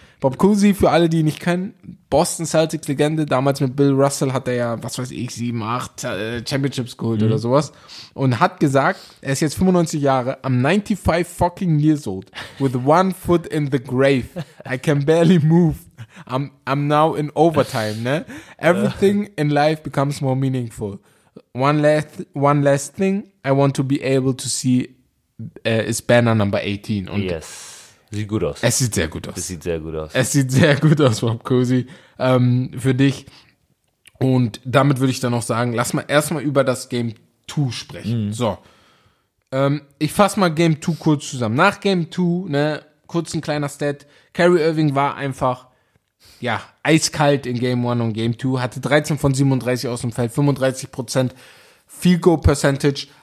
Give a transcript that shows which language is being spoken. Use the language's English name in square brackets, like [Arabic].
[German] Bob Cousy, für alle, die ihn nicht kennen, Boston Celtics Legende. Damals mit Bill Russell hat er ja, 7, 8 Championships geholt oder sowas. Und hat gesagt, er ist jetzt 95 Jahre, [English] I'm 95 fucking years old, with one foot in the grave. I can barely move. I'm now in overtime, ne? Everything in life becomes more meaningful. One last thing I want to be able to see is banner number 18. [German] Und yes. Sieht gut aus. Es sieht sehr gut aus. Es sieht sehr gut aus. Es sieht sehr gut aus, Bob Cousy, für dich. Und damit würde ich dann auch sagen, lass mal erstmal über das Game 2 sprechen. Mhm. So, ich fasse mal Game 2 kurz zusammen. Nach Game 2, ne, kurz ein kleiner Stat. Kyrie Irving war einfach eiskalt in Game 1 und Game 2. Hatte 13 von 37 aus dem Feld, 35% Field Goal Percentage.